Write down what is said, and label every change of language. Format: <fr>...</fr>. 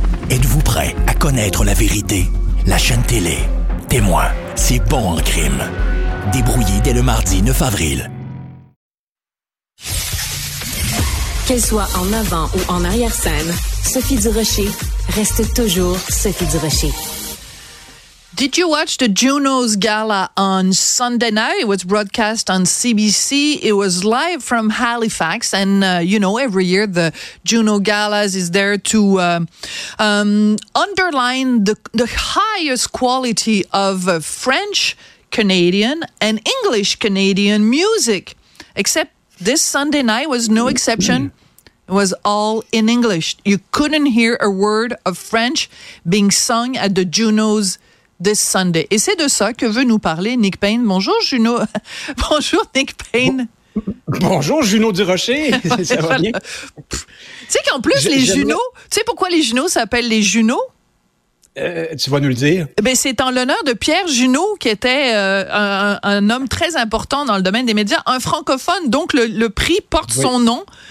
<fr>Êtes-vous prêt à connaître la vérité? La chaîne télé, Témoin, c'est bon en crime. Débrouillé dès le mardi 9 avril. Qu'elle soit en avant ou en arrière-scène, Sophie Durocher reste toujours Sophie Durocher.</fr> <en>Did you watch the Juno's Gala on Sunday night? It was broadcast on CBC. It was live from Halifax. And, you know, every year the Juno Galas is there to underline the highest quality of French Canadian and English Canadian music. Except this Sunday night was no exception. It was all in English. You couldn't hear a word of French being sung at the Juno's This Sunday.</en> <fr>Et c'est de ça que veut nous parler Nick Payne. Bonjour Juno. Bonjour Nick Payne. Bonjour Juno Durocher. Ouais, ça va bien? Tu sais qu'en plus, tu sais pourquoi les Junos s'appellent les Junos? Tu vas nous le dire. Ben, c'est en l'honneur de Pierre Juno, qui était un homme très important dans le domaine des médias, un francophone, donc le prix porte son nom.</fr>